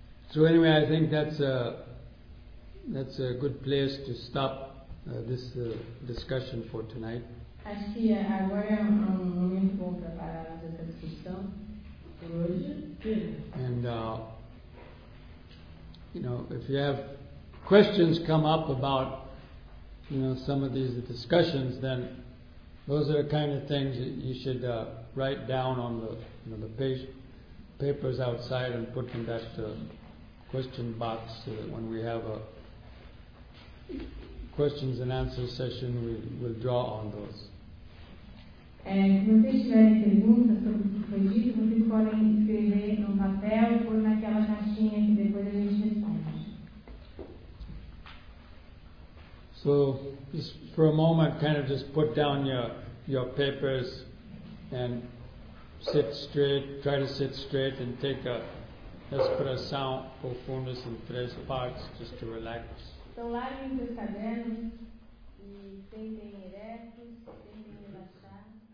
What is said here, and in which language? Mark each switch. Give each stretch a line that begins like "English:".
English: So anyway, I think that's a good place to stop this discussion for tonight.
Portuguese: Acho que agora é um momento bom para parar essa discussão por hoje.
English: And you know, if you have questions come up about, you know, some of these discussions, then those are the kind of things that you should write down on the, you know, the papers outside and put them back to question box so that when we have a questions and answers session, we'll draw on those.
Portuguese: Se vocês tiverem perguntas sobre o que foi dito, vocês podem escrever no papel ou naquela caixinha que depois a gente responde.
English: So, just for a moment, kind of just put down your papers and sit straight, try to sit straight and take a
Portuguese: respiração profunda
English: in 3 parts just to relax.
Portuguese: Então, larguem seus cadernos e sentem ereto, sentem relaxar.